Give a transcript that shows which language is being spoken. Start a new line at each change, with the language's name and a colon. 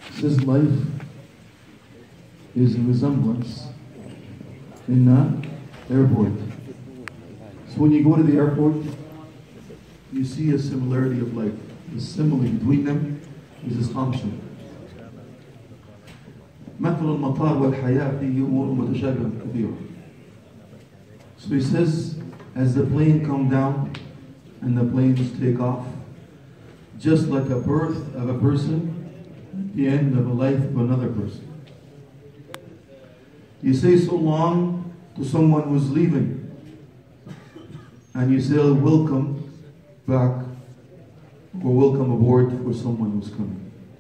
English: this life is a resemblance in the airport. So when you go to the airport, you see a similarity of life. The simile between them is this function.
Arabic: مثل المطار والحياة فيه أمور متشابهة كثيرة.
English: So he says, as the plane come down and the planes take off, just like a birth of a person, the end of a life of another person. You say so long to someone who's leaving, and you say welcome back or welcome aboard for someone who's coming.